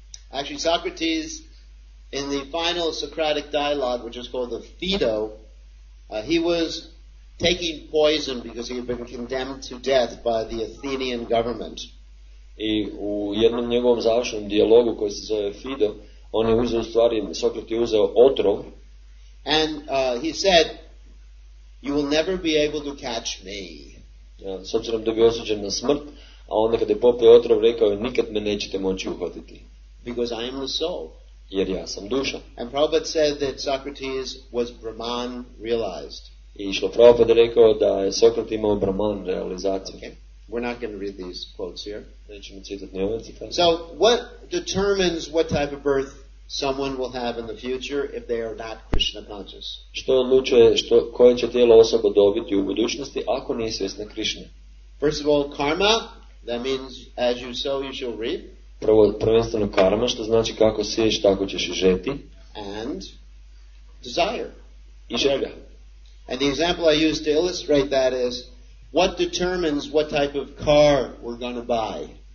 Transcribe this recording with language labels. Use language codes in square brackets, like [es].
[en] Actually, Socrates, in the final Socratic dialogue, which is called the Phaedo, he was taking poison because he had been condemned to death by the Athenian government. [hr] I u jednom njegovom završnom dijalogu koji se zove Phaedo, on je uzeo, u stvari, Sokrat je uzeo otrov. [en] And he said, you will never be able to catch me. [hr] S obzirom da bi osuđen na smrt, a onda kada je popio otrov, rekao je, nikad me nećete moći uhvatiti. [en] Because I am the soul. [hr] Jer ja sam duša. [en] And Prabhupada said that Socrates was Brahman realized. [hr] I Šla Prabhupada je rekao da je Sokrat imao Brahman realizaciju. [en] Okay. We're not going to read these quotes here. [hr] Nećemo citati ove citate. [en] So, what determines what type of birth someone will have in the future if they are not Krishna conscious? [hr] Što odlučuje, što, koje će tijelo osoba dobiti u budućnosti ako nije svjesna Krishna? [en] First of all, karma, that means as you sow, you shall reap. [hr] Prvenstveno karma, što znači kako siješ, tako ćeš i žeti. [en] And desire. [hr] I želja. [en] And the example I use to illustrate that is, what determines what type of car we're going to buy?